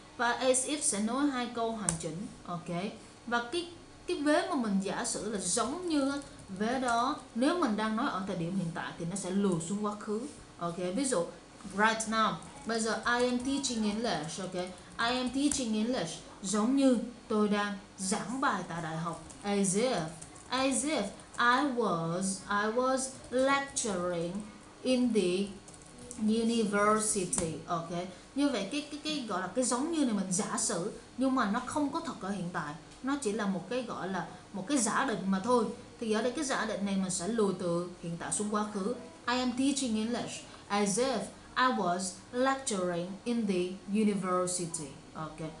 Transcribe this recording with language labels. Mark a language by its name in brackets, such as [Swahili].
[Vietnamese] Và as if sẽ nối hai câu hoàn chỉnh, ok. Và cái vế mà mình giả sử là giống như vế đó, nếu mình đang nói ở thời điểm hiện tại thì nó sẽ lùi xuống quá khứ, ok. Ví dụ [English] right now, [Vietnamese] bây giờ [English] I am teaching English, ok. I am teaching English, [Vietnamese] giống như tôi đang giảng bài tại đại học. [English] As if I was lecturing in the university, ok. [Vietnamese] Như vậy cái gọi là cái giống như này mình giả sử, nhưng mà nó không có thật ở hiện tại, nó chỉ là một cái gọi là một cái giả định mà thôi. Thì ở đây cái giả định này mình sẽ lùi từ hiện tại xuống quá khứ. [English] I am teaching English as if I was lecturing in the university, ok.